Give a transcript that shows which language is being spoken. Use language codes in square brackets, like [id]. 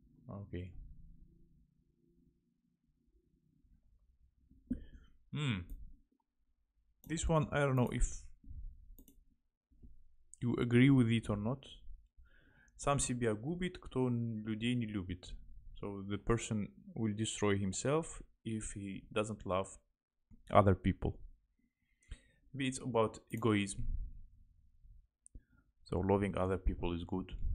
[en] Okay. This one, I don't know if you agree with it or not. [ru] Сам себя губит, кто людей не любит. [en] So the person will destroy himself if he doesn't love other people. Maybe it's about egoism. So loving other people is good.